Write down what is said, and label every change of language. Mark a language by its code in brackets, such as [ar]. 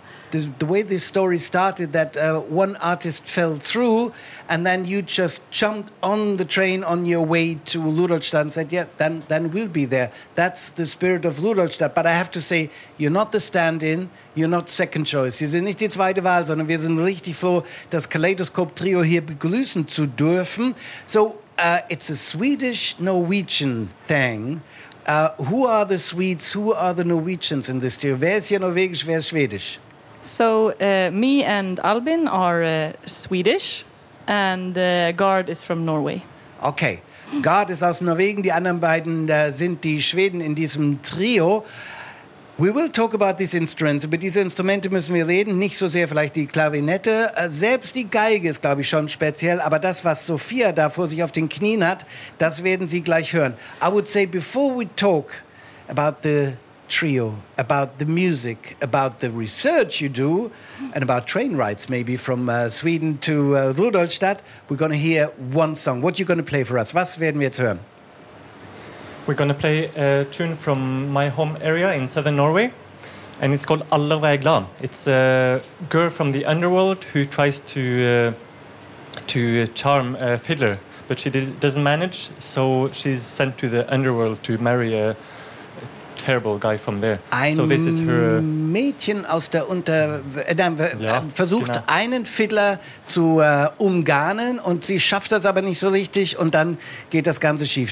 [en] The way this story started, that one artist fell through and then you just jumped on the train on your way to Ludolstadt and said, yeah, then we'll be there. That's the spirit of Ludolstadt. But I have to say, you're not the stand-in, you're not second choice. [de] Sie sind nicht die zweite Wahl, sondern wir sind richtig froh, das Kaleidoscope Trio hier begrüßen zu dürfen. [en] So, it's a Swedish-Norwegian thing. Who are the Swedes, who are the Norwegians in this trio? [de] Wer ist hier norwegisch, wer ist schwedisch? [en] So, me and Albin are Swedish, and Gard is from Norway. [de] Okay, Gard is aus Norwegen, die anderen beiden sind die Schweden in diesem Trio. [en] We will talk about these instruments. [de] Über diese Instrumente müssen wir reden, nicht so sehr vielleicht die Klarinette. Selbst die Geige ist, glaube ich, schon speziell, aber das, was Sophia da vor sich auf den Knien hat, das werden Sie gleich hören. [en] I would say, before we talk about the trio, about the music, about the research you do, and about train rides maybe from Sweden to Rudolstadt, we're going to hear one song. What are you going to play for us? [de] Was werden wir jetzt hören? [en] We're going to play a tune from my home area in southern Norway, and it's called Alle Vær Glad. It's a girl from the underworld who tries to charm a fiddler, but she doesn't manage, so she's sent to the underworld to marry a terrible guy from there. [de] Ein [en] so this is her [de] Mädchen aus der Unter versucht genau. einen Fiddler zu umgarnen und sie schafft das aber nicht so richtig und dann geht das Ganze schief.